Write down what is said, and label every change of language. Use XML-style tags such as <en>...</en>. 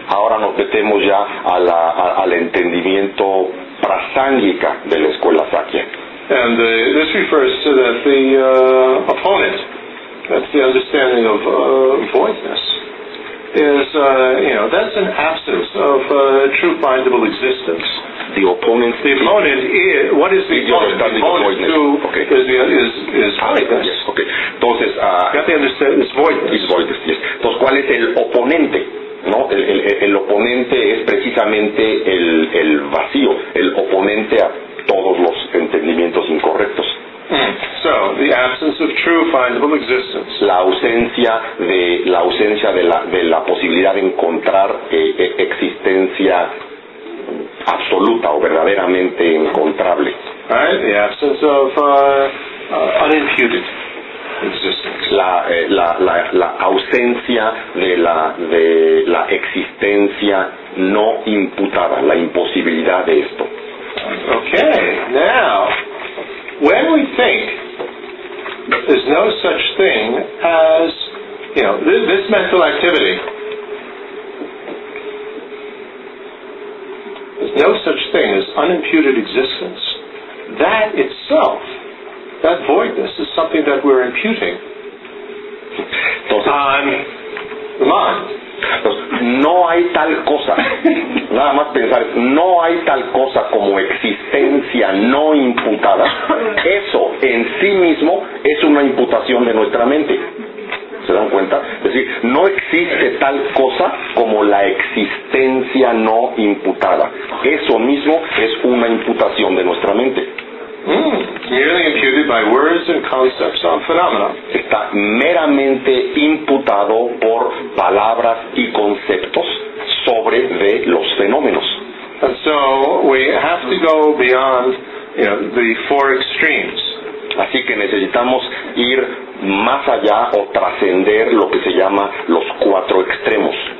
<es>Ahora nos metemos ya al entendimiento prasangika de la escuela Sakya.</es> <en>And this refers to that the opponent, that's the understanding of voidness, is, that's an absence of true findable existence. The opponent, what is the opponent? The opponent is voidness. Yes, okay. Entonces, that they understand is voidness. Is voidness, yes.</en> <es>Entonces, ¿cuál es el oponente? No, el oponente es precisamente el vacío, el oponente a todos los entendimientos incorrectos.</es> <en>so, the absence of true findable existence.</en> <es>La ausencia de la posibilidad de encontrar existencia absoluta o verdaderamente encontrable.</es> <en>Right, the absence of unimputed existence.</en> <es>La ausencia de la existencia no imputada, la imposibilidad de esto.</es> <en>Okay, now, when we think there's no such thing as, you know, this mental activity, there's no such thing as unimputed existence, that itself, that voidness, is something that we're imputing on the mind.</en> <es>No hay tal cosa, nada más pensar, no hay tal cosa como existencia no imputada. Eso en sí mismo es una imputación de nuestra mente. ¿Se dan cuenta? Es decir, no existe tal cosa como la existencia no imputada. Eso mismo es una imputación de nuestra mente.</es> <en>Merely imputed by words and concepts on phenomena.</en> <es>Está meramente imputado por palabras y conceptos sobre de los fenómenos.</es> <en>And so we have to go beyond, you know, the four extremes.</en> <es>Así que necesitamos ir más allá o trascender lo que se llama los cuatro extremos.</es>